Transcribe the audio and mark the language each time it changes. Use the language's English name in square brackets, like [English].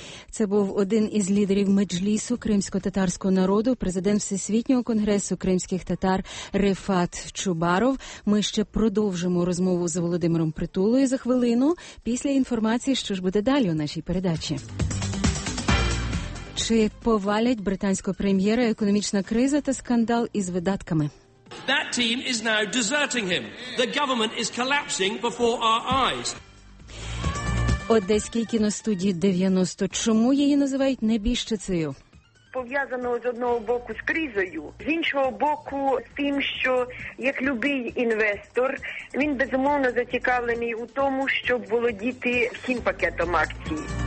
[Ukrainian] Це був один із лідерів меджлісу кримсько-татарського народу, президент Всесвітнього конгресу кримських татар Рефат Чубаров. Ми ще продовжимо розмову з Володимиром Притулою за хвилину після інформації, що ж буде далі у нашій передачі. Чи повалять британського прем'єра економічна криза та скандал із видатками? [English] That team is now deserting him. The government is collapsing before our eyes. [Ukrainian] Одеській кіностудії 90. Чому її називають небіжчицею? Пов'язано з одного боку з кризою, з іншого боку з тим, що як любий інвестор, він безумовно зацікавлений у тому, щоб володіти всім пакетом акцій.